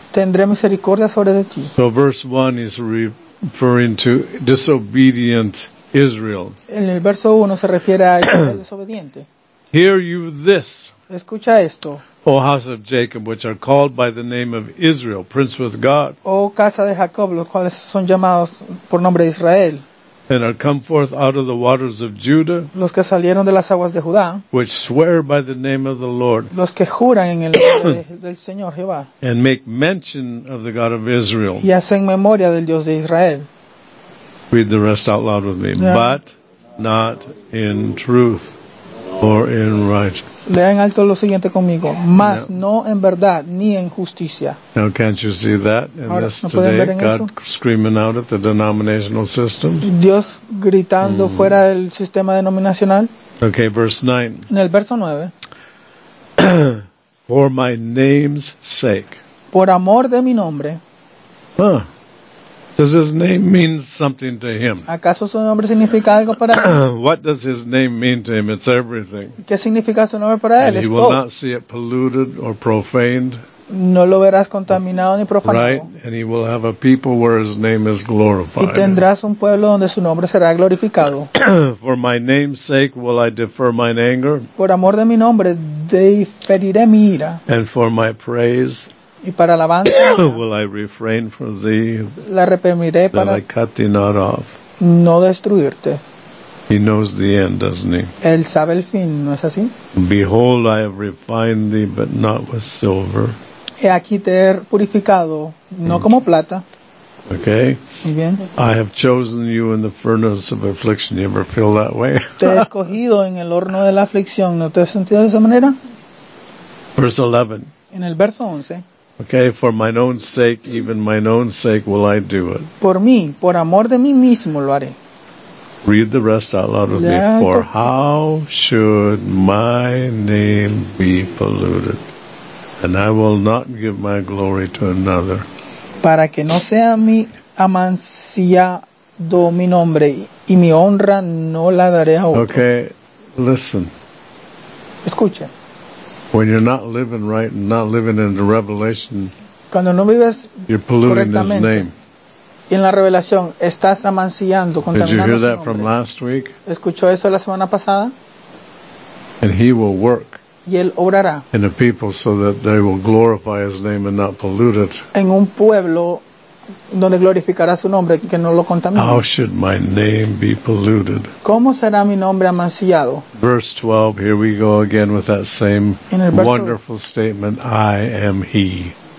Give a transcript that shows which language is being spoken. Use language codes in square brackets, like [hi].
[es] Tendré misericordia sobre de ti. [en] So verse 1 is referring to disobedient Israel. [es] En el verso 1 se refiere a Israel desobediente. [en] Hear you this. [es] Escucha esto. [en] O house of Jacob, which are called by the name of Israel, prince with God. [es] O casa de Jacob, los cuales son llamados por nombre de Israel. [en] And are come forth out of the waters of Judah. [es] Los que salieron de las aguas de Judá. [en] Which swear by the name of the Lord. [es] Los que juran en el nombre del Señor Jehová. [en] And make mention of the God of Israel. [es] Y hacen memoria del Dios de Israel. [en] Read the rest out loud with me. Yeah. But not in truth. Or in righteousness. [es] Lean alto lo siguiente conmigo. Mas no en verdad, ni en justicia. [en] Now can't you see that in [es] Ahora, [en] this [es] ¿no [en] today? [es] Pueden ver en [en] God [es] eso? [en] Screaming out at the denominational system. [es] Dios gritando fuera del sistema denominacional. [en] Okay, verse 9. [es] En el verso 9. [en] For my name's sake. [es] Por amor de mi nombre. [en] Huh. Does his name mean something to him? [es] ¿Acaso su nombre significa algo para él? [en] What does his name mean to him? It's everything. [es] ¿Qué significa su nombre para él? [en] And he will not see it polluted or profaned. [es] No lo verás contaminado ni profanado. [en] Right? And he will have a people where his name is glorified. [es] Y tendrás un pueblo donde su nombre será glorificado. [en] For my name's sake will I defer mine anger. [es] Por amor de mi nombre, diferiré mi ira. [en] And for my praise. [es] Y para alabanza. [en] Will I refrain from thee. [es] La reprimiré para. [en] That I cut thee not off. [es] No destruirte. [en] He knows the end, doesn't he? [es] Él sabe el fin, ¿no es así? [en] Behold, I have refined thee, but not with silver. [es] He aquí te he purificado, no como plata. [en] Okay. [es] Muy bien. [en] I have chosen you in the furnace of affliction. You ever feel that way? [es] Te he escogido en el horno de la aflicción. ¿No te has sentido de esa manera? [en] Verse 11. [es] En el verso 11. [en] Okay, for mine own sake, even mine own sake, will I do it. [es] Por mí, por amor de mí mismo lo haré. [en] Read the rest out loud with me. For how should my name be polluted? And I will not give my glory to another. [es] Para que no sea mi amanciado mi nombre, y mi honra no la daré a otro. [en] Okay, listen. [es] Escucha. [en] When you're not living right and not living in the revelation, [es] cuando no vives, [en] you're polluting his name. [es] Y en la revelación estás amancillando, contaminando su nombre. [en] Did you hear that from last week? [es] ¿Escuchó eso la semana pasada? [en] And he will work. [es] Y él obrará. [en] In a people so that they will glorify his name and not pollute it. [es] En un pueblo donde glorificará su nombre que no lo contamine. [en] How should my name be polluted? [es] ¿Cómo será mi nombre amancillado? [en] Verse 12, here we go again with that same wonderful statement, I am he.